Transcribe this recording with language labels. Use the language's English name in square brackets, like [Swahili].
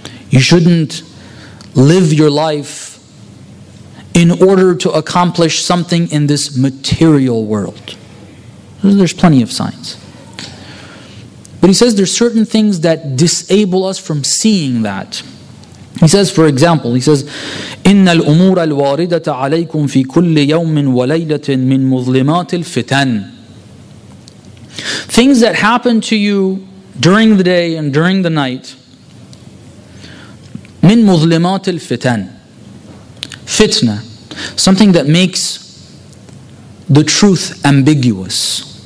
[English] You shouldn't live your life in order to accomplish something in this material world. There's plenty of signs. But he says there's certain things that disable us from seeing that. He says, for example, he says, [Arabic] إِنَّ الْأُمُورَ الْوَارِدَةَ عَلَيْكُمْ فِي كُلِّ يَوْمٍ وَلَيْلَةٍ مِنْ مُظْلِمَاتِ الْفِتَنِ. [English] Things that happen to you during the day and during the night, [Arabic] مِنْ مُظْلِمَاتِ الْفِتَنِ. [English] Fitna, something that makes the truth ambiguous.